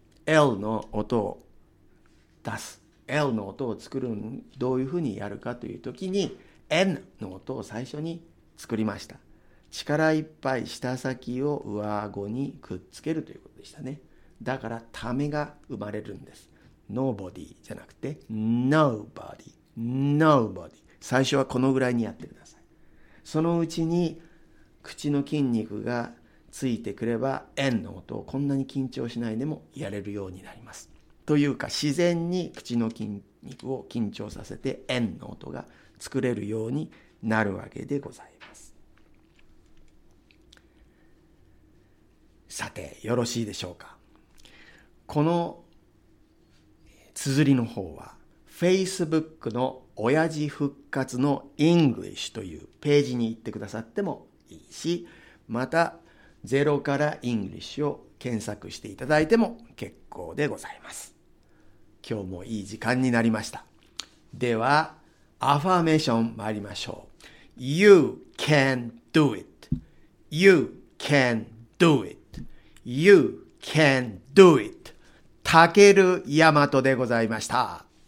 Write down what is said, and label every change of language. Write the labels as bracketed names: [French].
[Japanese] L の音を出す、 L の音を作る、どういうふうにやるかというときに N の音を最初に作りました。力いっぱい舌先を上顎にくっつけるということでしたね。だからためが生まれるんです。 [English] Nobody [Japanese] じゃなくて [English] Nobody Nobody。 [Japanese] 最初はこのぐらいにやってください。そのうちに口の筋肉がついてくれば N の音をこんなに緊張しないでもやれるようになります。というか自然に口の筋肉を緊張させて N の音が作れるようになるわけでございます。さて、よろしいでしょうか。この綴りの方は Facebook の親父復活の English というページに行ってくださってもいいし、またゼロから English を検索していただいても結構でございます。今日もいい時間になりました。ではアファーメーション参りましょう。 [English] You can do it. You can do itYou can do it. [Japanese] たけるやまとでございました。